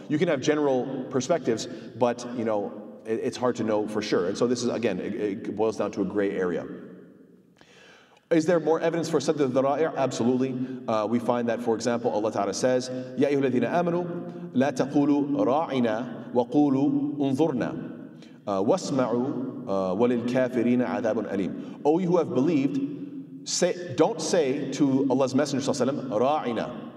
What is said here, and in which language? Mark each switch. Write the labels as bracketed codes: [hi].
[en] You can have general perspectives, but, you know, it's hard to know for sure. And so this is, again, it boils down to a gray area. Is there more evidence for sadd al-dhara'ir? Absolutely. We find that, for example, Allah Ta'ala says, [ar] يَا أَيُّهَا الَّذِينَ آمَنُوا لَا تَقُولُوا رَاعِنَا وقولوا انظرنا واسمعوا وللكافرين عذاب أليم. [en] O you who have believed, say, don't say to Allah's Messenger sallallahu alaihi wasallam, ra'ina.